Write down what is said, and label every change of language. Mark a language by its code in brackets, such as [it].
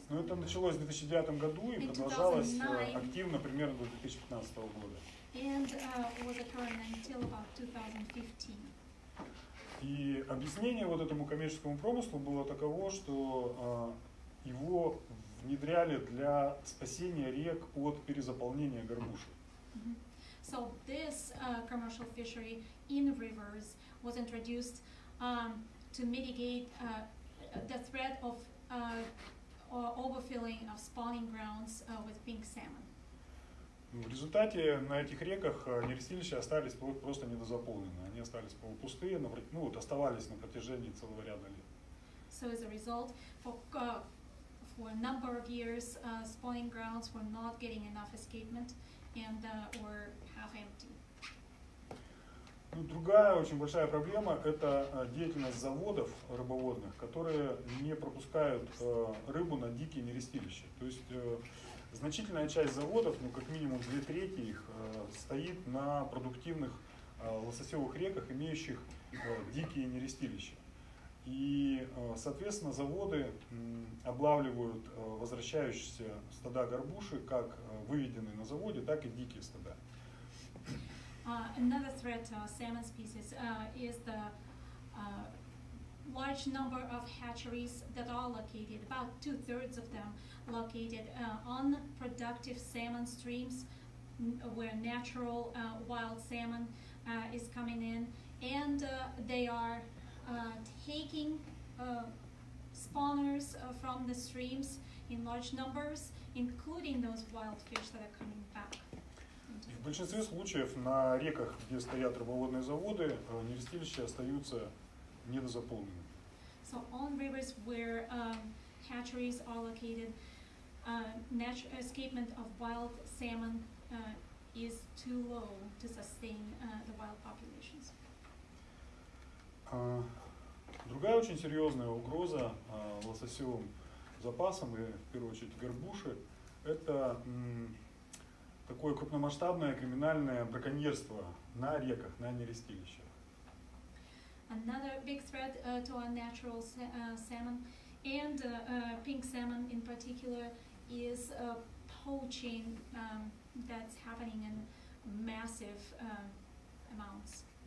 [ru] Ну, это началось в 2009 году и продолжалось активно примерно до 2015 года. [en] And was occurring until about 2015. [ru] И объяснение вот этому коммерческому промыслу было таково, что его внедряли для спасения рек от перезаполнения горбуши. [en] So this commercial fishery in rivers was introduced to mitigate the threat of overfilling of spawning grounds with pink salmon. [ru] В результате на этих реках нерестилища остались просто недозаполнены. Они остались полупустые, ну вот оставались на протяжении целого ряда лет. [en] So as a result, for a number of years, spawning grounds were not getting enough escapement and were half empty. [ru] Ну, другая очень большая проблема – это деятельность заводов рыбоводных, которые не пропускают рыбу на дикие нерестилища. То есть значительная часть заводов, ну как минимум 2/3 их, стоит на продуктивных лососевых реках, имеющих дикие нерестилища. И, соответственно, заводы облавливают возвращающиеся стада горбуши, как выведенные на заводе, так и дикие стада. [en] Another threat to salmon species is the large number of hatcheries that are located, about 2/3 of them, located on productive salmon streams where natural wild salmon is coming in, and they are taking spawners from the streams in large numbers, including those wild fish that are coming back. [ru] В большинстве случаев на реках, где стоят рыбоводные заводы, нерестилища остаются недозаполненными. [en] So on rivers where hatcheries are located, natural escapement of wild salmon is too low to sustain the wild populations. [ru] Другая очень серьезная угроза лососевым запасам и в первую очередь горбуши – это такое крупномасштабное криминальное браконьерство на реках, на нерестилищах. [en] Another big threat to our natural salmon and pink salmon in particular is poaching that's happening in massive amounts.